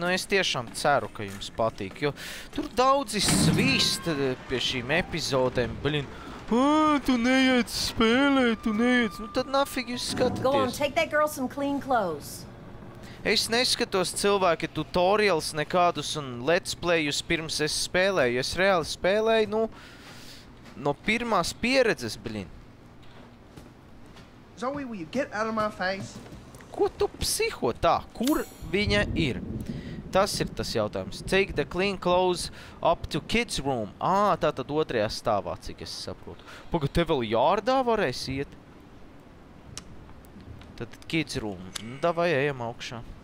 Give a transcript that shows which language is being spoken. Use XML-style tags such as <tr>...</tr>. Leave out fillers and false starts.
<lv>Nu, es tiešām ceru, ka jums patīk. Jo tur daudzi svīst pie šīm epizodēm, blin. Tu neiec spēlē, tu neiec. Nu tad nafig jūs skatāties.</lv> <en>Go on, take that girl some clean clothes.</en> <lv>Es neskatos cilvēki tutorials nekādus un let's playus pirms es spēlēju. Es reāli spēlēju, nu, no pirmās pieredzes, blin.</lv> <en>Zoe, will you get out of my face?</en> <lv>Ko tu psiho tā? Kur viņa ir? Tas ir tas jautājums.</lv> <en>Take the clean clothes up to kids room.</en> <lv>Tātad otrajā stāvā, cik es saprotu. Paga, te vēl jārdā varēs iet? Tātad kids room. Nu, davai, ejam augšā.</lv>